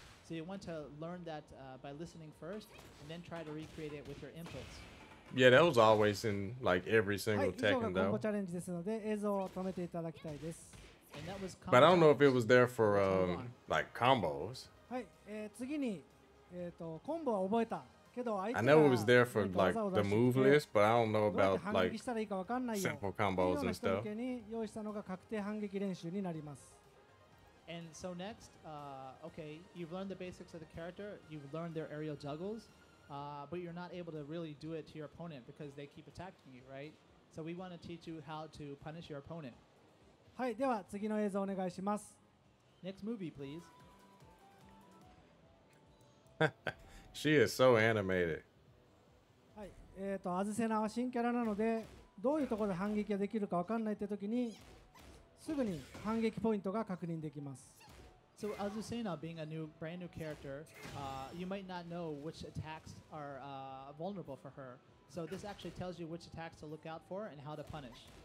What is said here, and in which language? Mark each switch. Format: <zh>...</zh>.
<en>So you want to learn that by listening first and then try to recreate it with your inputs. Yeah, that was always in like every single Tekken though.</en> <ja>はい、以上がコンボチャレンジですので、映像を止めていただきたいです。</ja> <en>But I don't know if it was there for like combos. I know it was there for like the move list, but I don't know about like simple combos and stuff. And so next, okay, you've learned the basics of the character, you've learned their aerial juggles, but you're not able to really do it to your opponent because they keep attacking you, right? So we want to teach you how to punish your opponent.</en> <ja>はい、では次の映像お願いします。</ja> <en>Next movie, please. She is so animated.</en> <ja>はい、アズセナは新キャラなので、どういうところで反撃ができるかわかんないって時に、すぐに反撃ポイントが確認できます。</ja> <en>So Azucena being a new, brand new character, you might not know which attacks are vulnerable for her. So this actually tells you which attacks to look out for and how to punish.</en>